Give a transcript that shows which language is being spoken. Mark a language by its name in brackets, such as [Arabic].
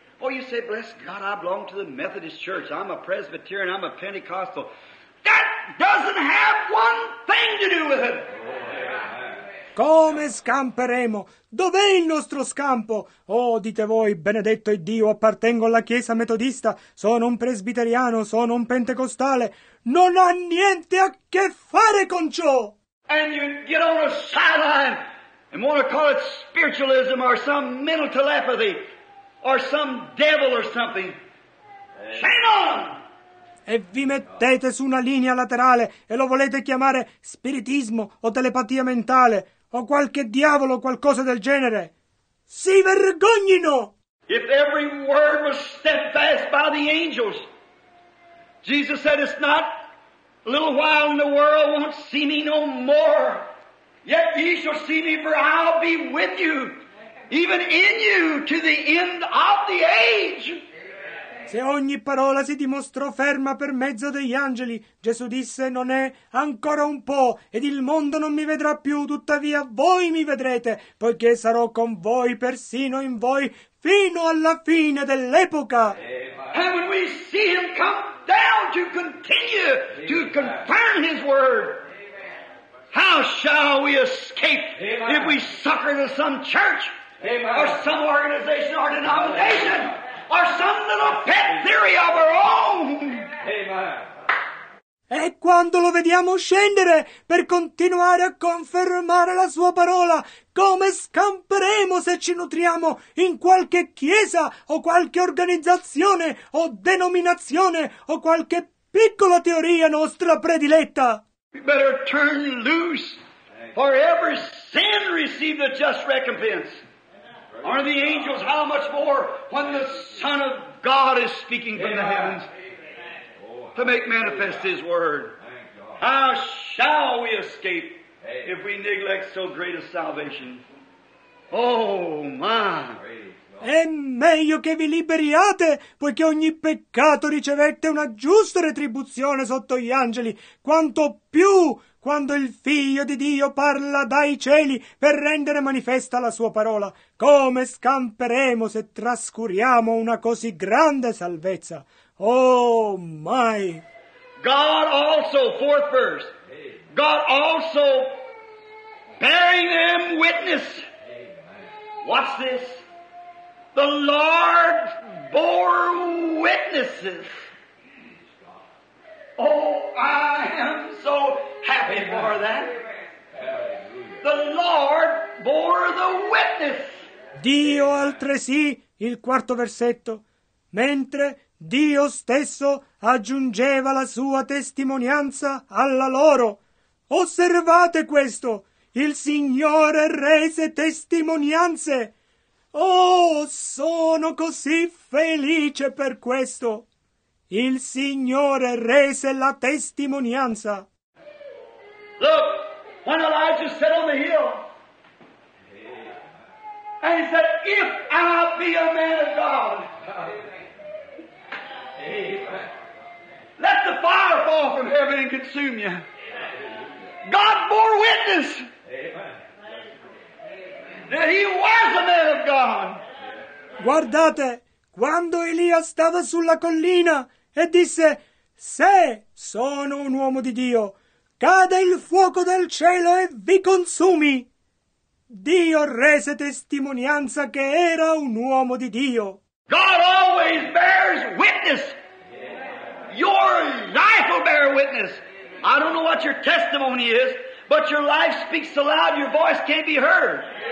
[English] Oh, you say, bless God, I belong to the Methodist Church. I'm a Presbyterian. I'm a Pentecostal. That doesn't have one thing to do with it. [Italian] Come scamperemo? Dov'è il nostro scampo? Oh, dite voi, benedetto è Dio, appartengo alla Chiesa Metodista. Sono un presbiteriano, sono un pentecostale. Non ha niente a che fare con ciò. [English] And you get on a sideline. And want to call it spiritualism or some mental telepathy or some devil or something. Shame on! [Italian] E vi mettete su una linea laterale e lo volete chiamare spiritismo o telepatia mentale o qualche diavolo o qualcosa del genere. Si vergognino! [English] If every word was steadfast by the angels, Jesus said, it's not a little while in the world won't see me no more. Yet ye shall see me, for I'll be with you, even in you, to the end of the age. [Italian] Se ogni parola si dimostrò ferma per mezzo degli angeli, Gesù disse, non è ancora un po', ed il mondo non mi vedrà più, tuttavia voi mi vedrete, poiché sarò con voi, persino in voi, fino alla fine dell'epoca. [English] And when we see him come down to continue to confirm his word, how shall we escape if we succor to some church or some organization or denomination? Or some little pet theory of our own. Amen. [Italian] E quando lo vediamo scendere per continuare a confermare la sua parola, come scamperemo se ci nutriamo in qualche chiesa o qualche organizzazione o denominazione o qualche piccola teoria nostra prediletta? [English] We better turn loose, for every sin receive the just recompense. Are the angels how much more when the Son of God is speaking from the heavens to make manifest his word? How shall we escape if we neglect so great a salvation? Oh, my! [Italian] È meglio che vi liberiate, poiché ogni peccato ricevette una giusta retribuzione sotto gli angeli, quanto più quando il Figlio di Dio parla dai cieli per rendere manifesta la sua parola. Come scamperemo se trascuriamo una così grande salvezza? Oh, mai! [English] God also, fourth verse, God also bearing them witness. What's this? The Lord bore witnesses. Oh, I am so happy for that. The Lord bore the witness. [Italian] Dio altresì, il quarto versetto, mentre Dio stesso aggiungeva la sua testimonianza alla loro. Osservate questo, il Signore rese testimonianze. Oh, sono così felice per questo. Il Signore rese la testimonianza. [English] Look, when Elijah sat on the hill, and he said, if I be a man of God, let the fire fall from heaven and consume you. God bore witness that he was a man of God. [Italian] Guardate, quando Elia stava sulla collina, e disse, se sono un uomo di Dio, cade il fuoco dal cielo e vi consumi. Dio rese testimonianza che era un uomo di Dio. [English] God always bears witness. Your life will bear witness. I don't know what your testimony is, but your life speaks aloud, your voice can't be heard.